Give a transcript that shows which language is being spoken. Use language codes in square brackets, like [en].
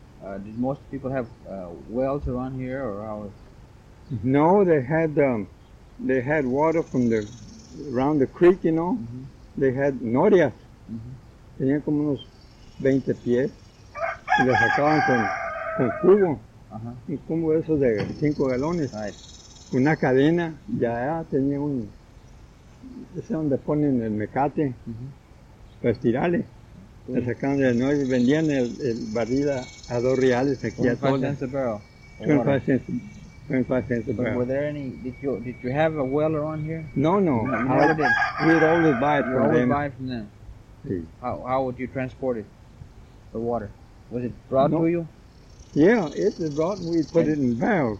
[en] Did most people have wells around here, or how? No, they had water from the around the creek, you know. Mm-hmm. They had norias. Mm-hmm. [es] Tenían como unos 20 pies y les sacaban con cubo, uh-huh, un cubo eso de 5 galones. [en] Right. [es] Una cadena, mm-hmm, ya tenía un, ese es donde ponen el mecate, mm-hmm, para estirarle. Le sacaban de nuevo y vendían el barril a $2 aquí a [en] Tolga. 25 cents a barrel. 25 cents a barrel. But were there any, did you have a well around here? No. We'd always buy it from them. Always buy it from them. [es] Sí. [en] How would you transport it, the water? Was it brought to you? Yeah, it was brought and we put it in barrels.